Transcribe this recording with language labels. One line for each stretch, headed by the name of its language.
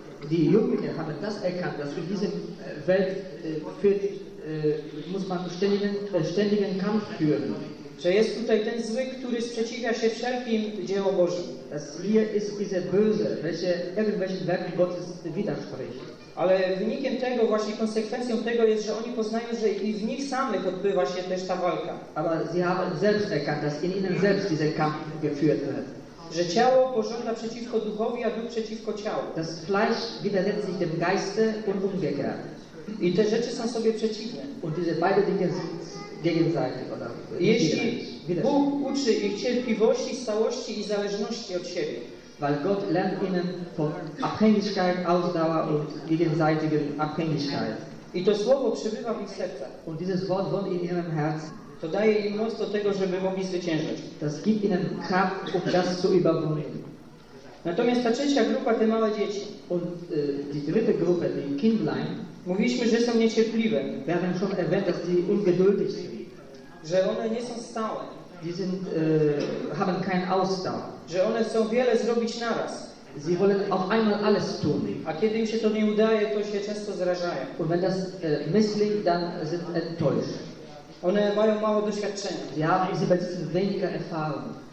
German: Die Jugendlichen haben das erkannt, dass in dieser Welt führt, muss man ständigen Kampf führen.
Polish: Że jest tutaj ten zły, który sprzeciwia się wszelkim dziełom Bożym.
German: Das hier ist diese Böse, welche irgendwelchen Werken Gottes widerspricht.
Polish: Ale wynikiem tego, właśnie konsekwencją tego jest, że oni poznają, że i w nich samych odbywa się też ta walka.
German: Aber sie haben selbst erkannt, dass in ihnen selbst dieser Kampf geführt wird.
Polish: Że ciało pożąda przeciwko duchowi, a duch przeciwko ciału.
German: Das Fleisch widersetzt sich dem Geiste und umgekehrt.
Polish: I te rzeczy są sobie przeciwne.
German: Und diese beide Dinge sind gegenseitig.
Polish: Jeśli Bóg uczy ich cierpliwości, stałości i zależności od siebie.
German: Weil Gott lernt ihnen von Abhängigkeit, Ausdauer und gegenseitiger Abhängigkeit.
Polish: I to słowo przebywa w ich sercach.
German: Und dieses Wort wohnt in ihrem Herzen.
Polish: To daje im moc do tego, żeby mogli zwyciężyć.
German: Das gibt ihnen Kraft, um das zu überwinden.
Polish: Natomiast ta trzecia grupa, te małe dzieci.
German: Und die dritte Gruppe, die Kindlein.
Polish: Mówiliśmy, że są niecierpliwe.
German: Wir haben schon erwähnt, dass die ungeduldig sind.
Polish: Że one nie są stałe.
German: Die sind, haben keinen Ausdauer.
Polish: Że one chcą wiele zrobić naraz.
German: Sie wollen auf einmal alles tun.
Polish: A kiedy im się to nie udaje, to się często zrażają.
German: Und wenn das misslingt, dann sind enttäuscht.
Polish: One mają mało doświadczenia.
German: Ja, sie besitzen weniger Erfahrung.